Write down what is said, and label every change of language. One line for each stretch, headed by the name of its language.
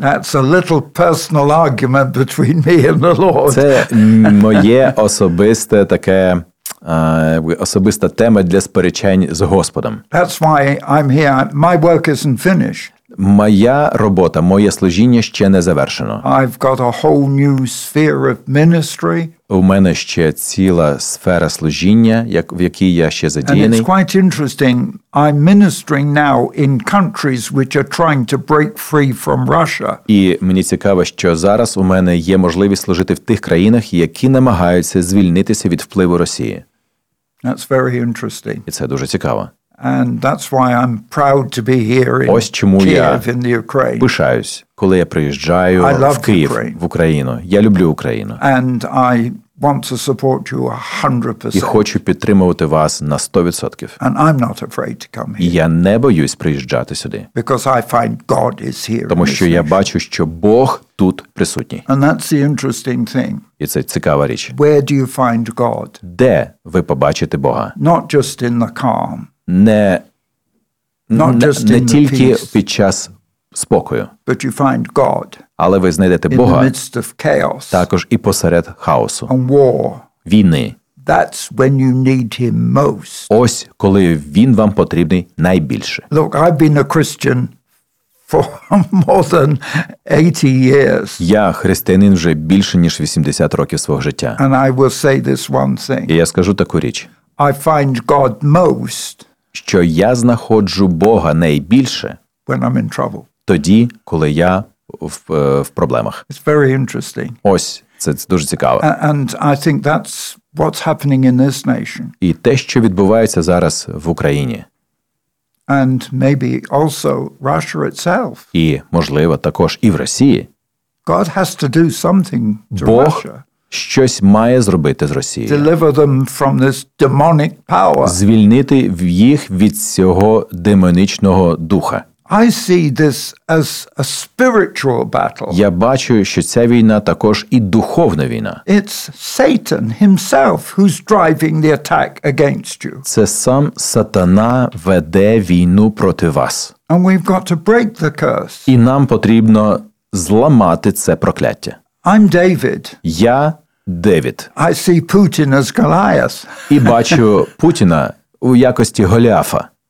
English: That's a little personal argument between me and the Lord.
Ukrainian: Це моє особисте таке особиста тема для сперечень з Господом.
English: That's why I'm here. My work isn't finished.
Ukrainian: Моя робота, моє служіння ще не завершено.
English: I've got a whole new sphere of ministry.
Ukrainian: У мене ще ціла сфера служіння, як в якій я ще задіяний.
English: And it's quite interesting. I'm ministering now in countries which are trying to break free from Russia.
Ukrainian: І мені цікаво, що зараз у мене є можливість служити в тих країнах, які намагаються звільнитися від впливу Росії.
English: That's very interesting.
Ukrainian: І це дуже цікаво.
English: And that's why I'm proud to be here in
Ukrainian: ось чому
English: Kiev,
Ukrainian: я
English: in the Ukraine.
Ukrainian: Пишаюсь, коли я приїжджаю в Київ, в Україну. Я люблю Україну.
English: And I want to support you 100%.
Ukrainian: І хочу підтримувати вас на 100%.
English: And I'm not afraid to come here.
Ukrainian: І я не боюсь приїжджати сюди.
English: Because I find God is here.
Ukrainian: Тому що я бачу, що Бог тут присутній.
English: And that's the interesting thing.
Ukrainian: І це цікава річ.
English: Where do you find God?
Ukrainian: Де ви побачите Бога?
English: Not just in the calm.
Ukrainian: Не тільки
English: peace,
Ukrainian: під час спокою.
English: But you find God.
Ukrainian: Але ви знайдете Бога
English: in the midst of chaos,
Ukrainian: також і посеред хаосу.
English: And war.
Ukrainian: Війни.
English: That's when you need him most.
Ukrainian: Ось коли він вам потрібний найбільше.
English: Look, I've been a Christian for more than 80 years.
Ukrainian: Я християнин вже більше ніж 80 років свого життя.
English: And I will say this one thing.
Ukrainian: І я скажу таку річ.
English: I find God most.
Ukrainian: Що я знаходжу Бога найбільше
English: when I'm in trouble.
Ukrainian: Тоді, коли я в проблемах.
English: It's very interesting.
Ukrainian: Ось Це дуже цікаво.
English: And I think that's what's happening in this nation.
Ukrainian: І те, що відбувається зараз в Україні.
English: And maybe also Russia itself.
Ukrainian: І, можливо, також і в Росії.
English: God has to do something to
Ukrainian: Бог
English: Russia.
Ukrainian: Щось має зробити з Росією.
English: Deliver them from this demonic power.
Ukrainian: Звільнити їх від цього демонічного духа.
English: I see this as a spiritual battle.
Ukrainian: Я бачу, що ця війна також і духовна війна.
English: It's Satan himself who's driving the attack against you.
Ukrainian: Це сам Сатана веде війну проти вас.
English: And we've got to break the curse.
Ukrainian: І нам потрібно зламати це прокляття.
English: I'm David.
Ukrainian: Я Девід.
English: I see Putin as Goliath.
Ukrainian: І бачу Путіна у якості Голіафа.